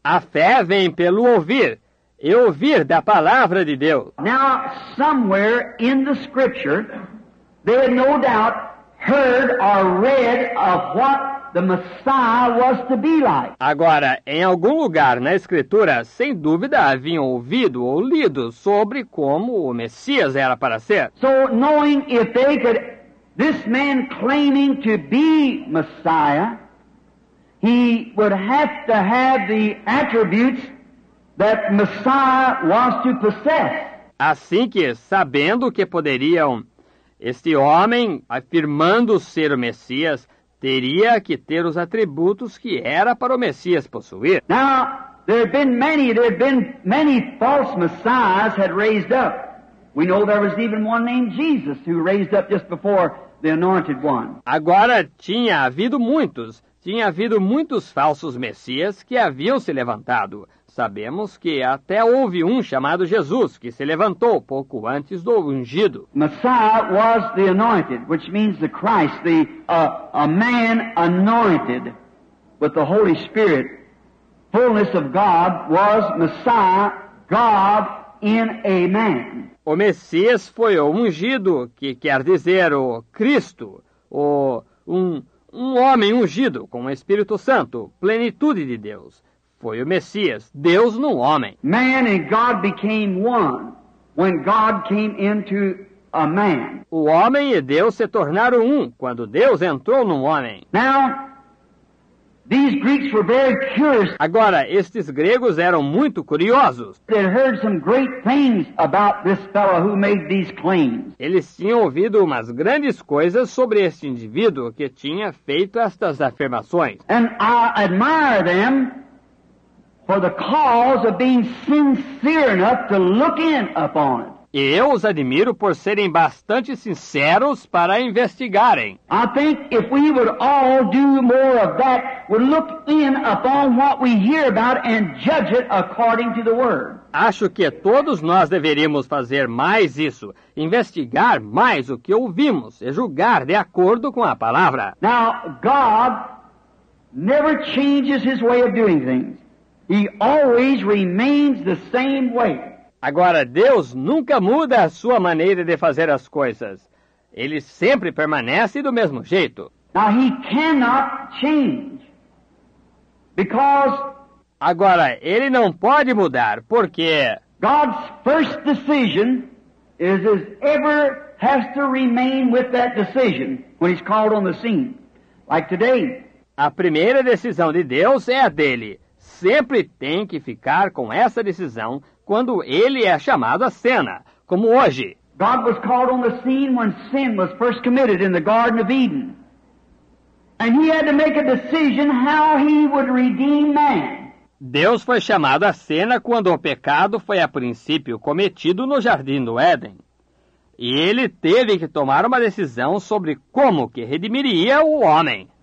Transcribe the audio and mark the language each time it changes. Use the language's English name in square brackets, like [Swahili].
[Portuguese] A fé vem pelo ouvir, e ouvir da palavra de Deus. [English] Now, somewhere in the scripture, they had no doubt heard or read of what the Messiah was to be like. [Portuguese] Agora, em algum lugar na Escritura, sem dúvida, haviam ouvido ou lido sobre como o Messias era para ser. [English] So, knowing if they could, this man claiming to be Messiah, he would have to have the attributes that Messiah was to possess. [Portuguese] Assim que, sabendo que poderiam, este homem, afirmando ser o Messias, teria que ter os atributos que era para o Messias possuir. [English] Now, there have been many false messiahs had raised up. We know there was even one named Jesus who raised up just before the anointed one. [Portuguese] Agora, tinha havido muitos falsos messias que haviam se levantado. Sabemos que até houve um chamado Jesus que se levantou pouco antes do ungido. [English] Messiah was the anointed, which means the Christ, the a man anointed with the Holy Spirit. Fullness of God was Messiah, God in a man. [Portuguese] O Messias foi o ungido, que quer dizer o Cristo, um homem ungido com o Espírito Santo, plenitude de Deus. Foi o Messias, Deus no homem. [English] Man and God became one when God came into a man. [Portuguese] O homem e Deus se tornaram um quando Deus entrou no homem. [English] Now, these Greeks were very curious. [Portuguese] Agora, estes gregos eram muito curiosos. [English] They heard some great things about this fellow who made these claims. [Portuguese] Eles tinham ouvido umas grandes coisas sobre este indivíduo que tinha feito estas afirmações. [English] And I admire them for the cause of being sincere enough to look in upon it. [Portuguese] E eu os admiro por serem bastante sinceros para investigarem. [English] I think if we would all do more of that, we'd look in upon what we hear about and judge it according to the word. [Portuguese] Acho que todos nós deveríamos fazer mais isso, investigar mais o que ouvimos e julgar de acordo com a palavra. [English] Now, God never changes his way of doing things. He always remains the same way. [Portuguese] Agora, Deus nunca muda a sua maneira de fazer as coisas. Ele sempre permanece do mesmo jeito. [English] Now, he cannot change. Because [Portuguese] Agora, ele não pode mudar, porque [English] God's first decision is as ever has to remain with that decision when he's called on the scene, like today. [Portuguese] A primeira decisão de Deus é a dele. Sempre tem que ficar com essa decisão quando ele é chamado à cena, como hoje. [English] God was called on the scene when sin was first committed in the Garden of Eden. And he had to make a decision how he would redeem man. [Portuguese] Deus foi chamado à cena quando o pecado foi a princípio cometido no Jardim do Éden. E ele teve que tomar uma decisão sobre como que redimiria o homem.